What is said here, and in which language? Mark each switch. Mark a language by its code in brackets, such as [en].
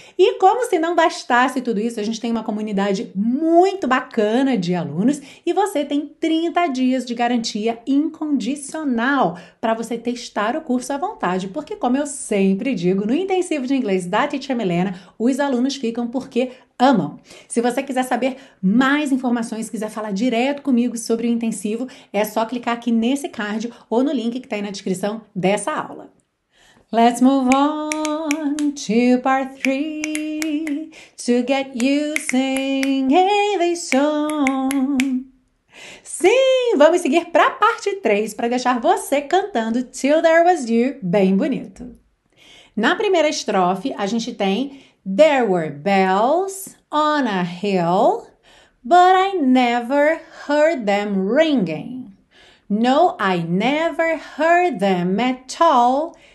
[pt] E como se não bastasse tudo isso, a gente tem uma comunidade muito bacana de alunos e você tem 30 dias de garantia incondicional para você testar o curso à vontade, porque como eu sempre digo, no intensivo de inglês da Teacher Milena, os alunos ficam porque amam. Se você quiser saber mais informações, quiser falar direto comigo sobre o intensivo, é só clicar aqui nesse card ou no link que está aí na descrição dessa aula. [en] Let's move on to part 3 to get you singing this song. [pt] Sim, vamos seguir para a parte 3 para deixar você cantando Till There Was You bem bonito. Na primeira estrofe, a gente tem [en] There were bells on a hill, but I never heard them ringing. No, I never heard them at all.